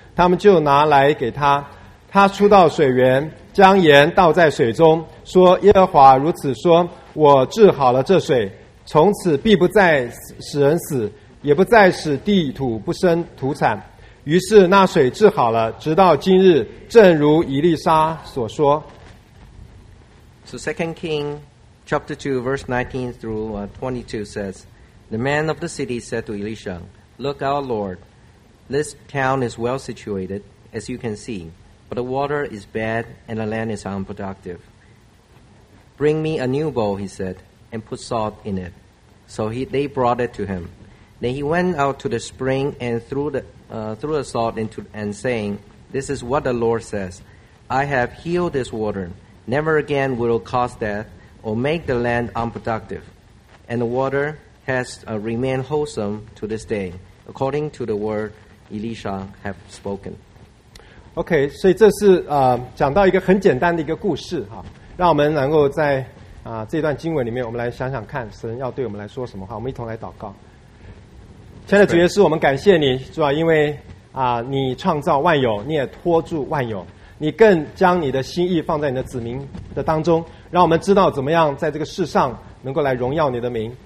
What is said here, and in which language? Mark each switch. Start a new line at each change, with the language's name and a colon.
Chinese: 他们就拿来给他。他出到水源，将盐倒在水中，说：“耶和华如此说：我治好了这水，从此必不再使人死。” 也不再使地土不生土产，于是那水治好了，直到今日，正如以利沙所说。
English: So 2 King chapter 2 verse 19 through 22 says, The man of the city said to Elisha, Look, our Lord, this town is well situated, as you can see, but the water is bad and the land is unproductive. Bring me a new bowl, he said, and put salt in it. So they brought it to him. Then he went out to the spring and threw the salt into and saying, This is what the Lord says. I have healed this water. Never again will it cause death or make the land unproductive. And the water has remained wholesome to this day, according to the word Elisha have spoken. Okay, so this is
Chinese: 讲到一个很简单的一个故事哈，让我们能够在这段经文里面，我们来想想看神要对我们来说什么话。我们一同来祷告。亲爱的主耶稣，我们感谢你，主啊，因为你创造万有，你也托住万有，你更将你的心意放在你的子民的当中，让我们知道怎么样在这个世上能够来荣耀你的名。